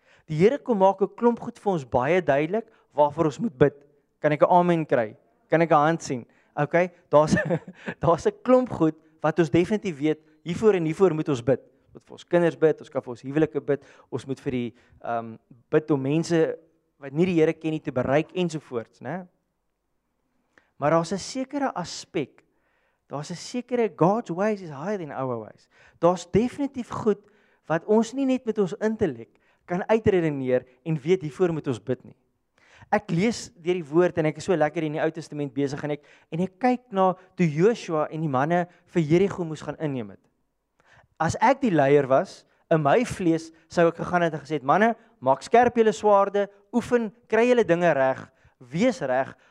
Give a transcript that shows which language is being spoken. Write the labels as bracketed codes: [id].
[af] Die Here kom maak 'n klomp goed vir ons baie duidelik waarvoor ons moet bid. Kan ek 'n amen kry? Kan ek 'n hand sien? OK, daar's 'n klomp goed wat ons definitief weet, hiervoor en hiervoor moet ons bid. Ons moet vir ons kinders bid, ons kan vir ons huwelike bid, ons moet vir die bid om mense wat nie die Here ken nie te bereik ensovoorts, né? Maar daar's 'n sekere aspek. Daar's 'n sekere [en] God's ways is higher than our ways. [af] Daar's definitief goed wat ons nie net met ons intellek kan uitredeneer en weet hiervoor moet ons bid nie. Ek lees deur die woord en ek is so lekker in die Ou Testament besig en ek kyk na toe Joshua en die manne vir Jericho moes gaan inneem het. As ek die leier was, in my vlees sou ek gegaan het en gesê het: "Manne, maak skerp julle swaarde, oefen, kry julle dinge reg, wees reg."